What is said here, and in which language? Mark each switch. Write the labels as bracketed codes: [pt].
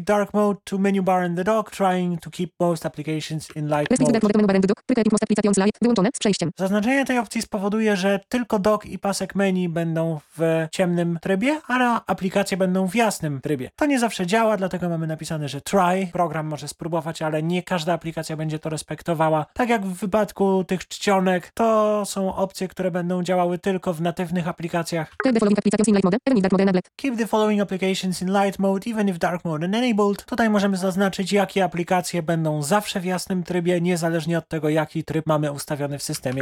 [en] dark mode to menu bar in the dock, trying to keep most applications in light Restrict dark mode to menu bar in the dock, most applications light, [pl] wyłączone z przejściem. Zaznaczenie tej opcji spowoduje, że tylko dock i pasek menu będą w ciemnym trybie, a aplikacje będą w jasnym trybie. To nie zawsze działa, dlatego mamy napisane, że try. Program może spróbować, ale nie każda aplikacja będzie to respektowała. Tak jak w wypadku tych czcionek, to są opcje, które będą działały tylko w natywnych aplikacjach. [en] Keep the following applications in light mode, even if dark mode enabled. Keep the following applications in light mode, even if dark mode enabled. [pl] Tutaj możemy zaznaczyć, jakie aplikacje będą zawsze w jasnym trybie, niezależnie od tego, jaki tryb mamy ustawiony w systemie.